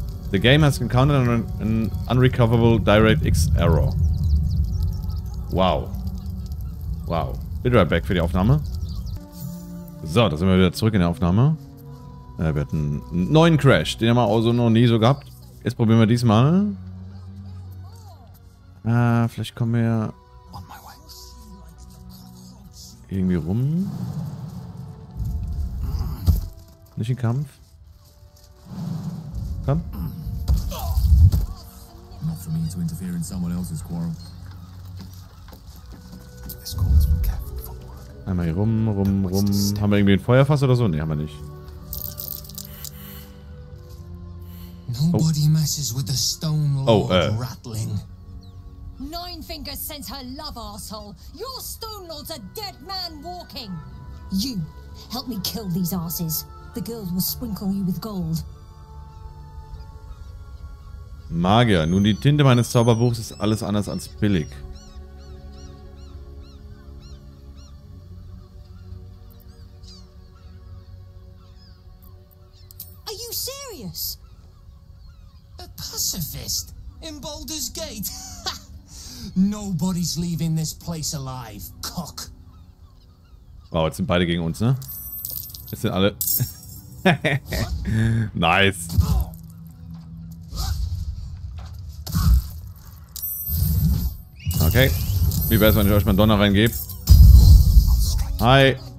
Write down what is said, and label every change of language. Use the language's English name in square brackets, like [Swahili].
[English] The game has encountered an unrecoverable DirectX error. Wow. Wow. Be right back [German] für die Aufnahme. So, da sind wir wieder zurück in der Aufnahme. Wir hatten einen neuen Crash, den haben wir auch so noch nie so gehabt. Jetzt probieren wir diesmal. Vielleicht kommen wir irgendwie rum. Nicht in Kampf. Komm. [English] Not for me to interfere in someone else's quarrel. This calls for careful. [German] Einmal hier rum, rum, rum. Haben wir irgendwie ein Feuerfass oder so? Nee, haben wir nicht. [English] Nobody messes with the stone lord rattling. Nine fingers sent her love, asshole. Your stone lord's a dead man walking. You help me kill these asses. The girls will sprinkle you with gold. [German] Magier, nun die Tinte meines Zauberbuchs ist alles anders als billig. [English] Are you serious? A pacifist in Baldur's Gate? Nobody's leaving this place alive, cock. [German] Wow, jetzt sind beide gegen uns, ne? Jetzt sind alle. [English] Nice. [German] Okay, wie wäre es, wenn ich euch mal Donner reingebe? Hi!